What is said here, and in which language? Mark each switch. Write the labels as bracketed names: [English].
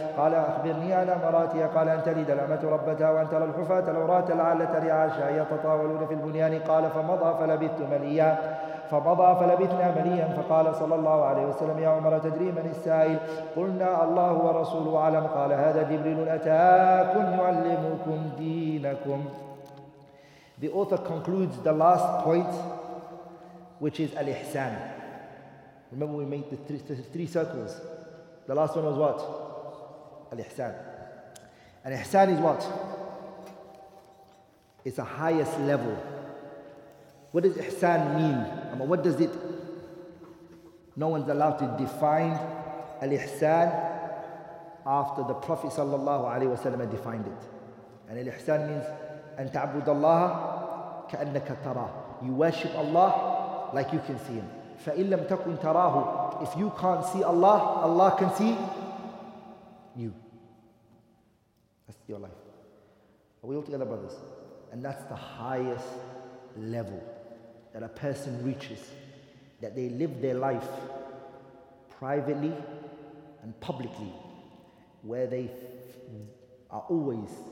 [Arabic] قال: أخبرني عن أمراتها. قال: أن تلد الأمة ربتها وأن ترى الحفاة العراة العالة رعاء الشاة يتطاولون في البنيان. قال: فمضى فلبثت مليا فقال صلى الله عليه وسلم: يا عمر، تدري من السائل؟ قلنا: الله ورسوله أعلم. قال: هذا جبريل أتاكم يعلمكم دينكم. [English] The author concludes the last point, which is al-ihsan. Remember, we made the three circles. The last one was what? Al-ihsan. And ihsan is what? It's a highest level. What does ihsan mean? What does it? No one's allowed to define al-ihsan after the Prophet sallallahu alaihi wasallam defined it. And al-ihsan means [Arabic] أن تعبد الله كأنك تراه. [English] You worship Allah like you can see Him. [Arabic] فإن لم تكن تراه. [English] If you can't see Allah, Allah can see you. That's your life. Are we all together, brothers? And that's the highest level that a person reaches, that they live their life privately and publicly, where they are always